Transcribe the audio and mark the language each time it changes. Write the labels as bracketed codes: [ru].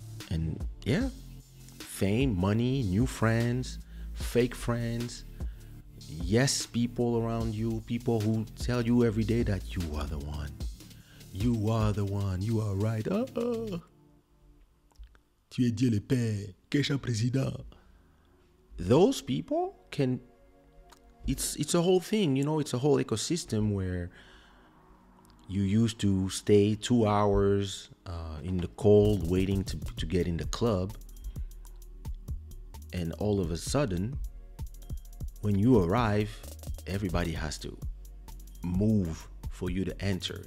[en] And yeah, fame, money, new friends, fake friends, yes, people around you, people who tell you every day that you are the one, you are the one, you are right. [fr] Tu es Dieu le Père, Kaysha président. [en] Those people can. It's a whole thing, you know, it's a whole ecosystem where you used to stay 2 hours in the cold waiting to get in the club. And all of a sudden, when you arrive, everybody has to move for you to enter.